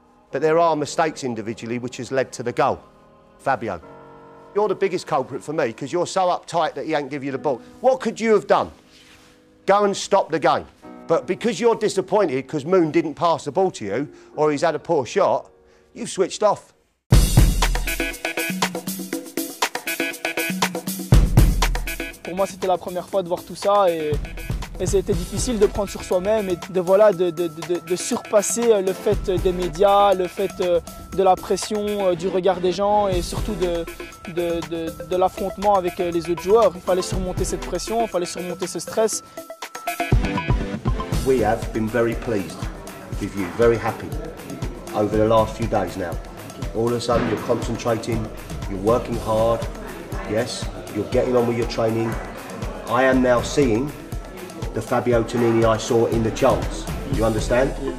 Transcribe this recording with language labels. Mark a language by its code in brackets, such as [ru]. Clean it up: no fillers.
[en] But there are mistakes individually which has led to the goal. Fabio, you're the biggest culprit for me because you're so uptight that he ain't give you the ball. What could you have done? Go and stop the game. But because you're disappointed because Moon didn't pass the ball to you or he's had a poor shot, you've switched off. [fr] Pour moi, c'était la première fois de voir tout ça et c'était difficile de prendre sur soi-même et de surpasser le fait des médias, le fait de la pression, du regard des gens et surtout de l'affrontement avec les autres joueurs. Il fallait surmonter cette pression, il fallait surmonter ce stress. [en] We have been very pleased with you, very happy over the last few days now. All of a sudden, you're concentrating, you're working hard, yes? You're getting on with your training. I am now seeing the Fabio Tonini I saw in the chance. You understand?